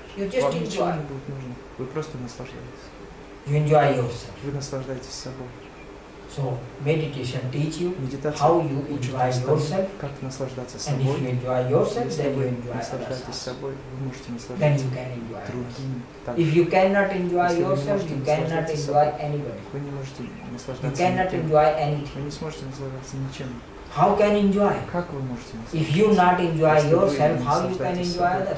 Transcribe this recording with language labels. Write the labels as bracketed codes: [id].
[en] You just enjoy. [ru] Вы просто наслаждаетесь. [en] You enjoy yourself. [ru] Вы наслаждаетесь собой. [en] So meditation teach you [ru] медитация [en] how you enjoy yourself. [ru] Как наслаждаться собой. [en] And if you enjoy yourself, [ru] если [en] then you enjoy [ru] наслаждаетесь собой, вы можете наслаждаться другим. [en] If you cannot enjoy yourself, you cannot enjoy anybody. [ru] Вы не можете наслаждаться. [en] You cannot enjoy anything. [ru] Вы не сможете наслаждаться ничем. [en] How can enjoy? [ru] Как вы можете наслаждаться? [en] If you not enjoy yourself, how you can enjoy others?